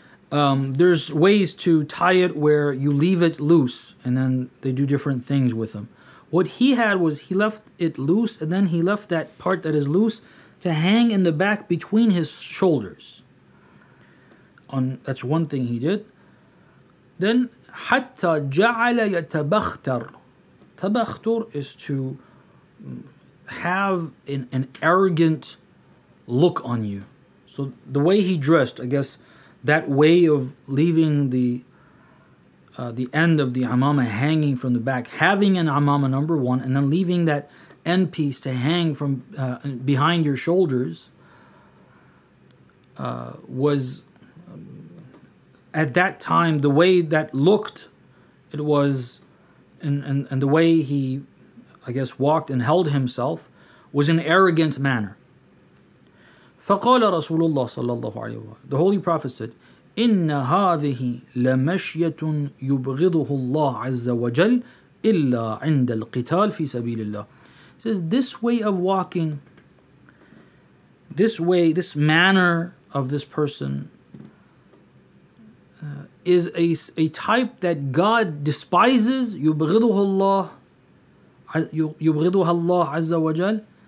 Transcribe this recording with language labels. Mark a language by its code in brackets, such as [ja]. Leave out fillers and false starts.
[en] There's ways to tie it where you leave it loose and then they do different things with them. What he had was he left it loose and then he left that part that is loose to hang in the back between his shoulders. That's one thing he did. [ar] Then, حَتَّى جَعَلَ يَتَبَخْتَرُ. [en] تَبَخْتُر is to have an arrogant look on you. So the way he dressed, I guess, that way of leaving the end of the amama hanging from the back, having an amama number one, and then leaving that end piece to hang from behind your shoulders, was at that time the way that looked. It was, and the way he, I guess, walked and held himself was an arrogant manner. [ar] فَقَالَ رَسُولُ اللَّهِ صَلَّى اللَّهُ عَلَيْهِ وَسَلَّمَ. [en] The Holy Prophet said, [ar] إِنَّ هَذِهِ لَمَشْيَةٌ يُبْغِضُهُ اللَّهُ عَزَّ وَجَلَّ إِلَّا عِنْدَ الْقِتَالِ فِي سَبِيلِ اللَّهِ. [en] Says this way of walking, this way, this manner of this person is a type that God despises. [ar] يُبْغِضُهُ اللَّهُ عَزَّ وَجَلَّ.